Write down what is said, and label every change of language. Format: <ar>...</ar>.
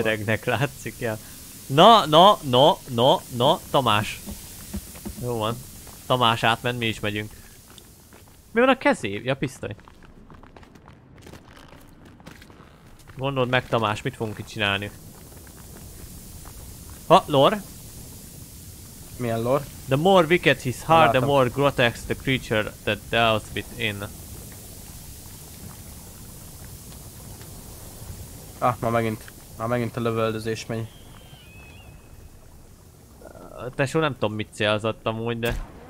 <hu>Öregnek látszik, ja. Na, Tamás. Jó van. Tamás átment, mi is megyünk. Mi van a kezév? Ja, pisztoly. Gondold meg, Tamás, mit fogunk itt csinálni? Ha, lor? Milyen lor?</hu> <en>The more wicked his heart, the more grotesque the creature that dealt with in.</en> <hu>Ah, már megint a lövöldözés megy. Tesó, nem tudom, mit célzott amúgy, de...</hu>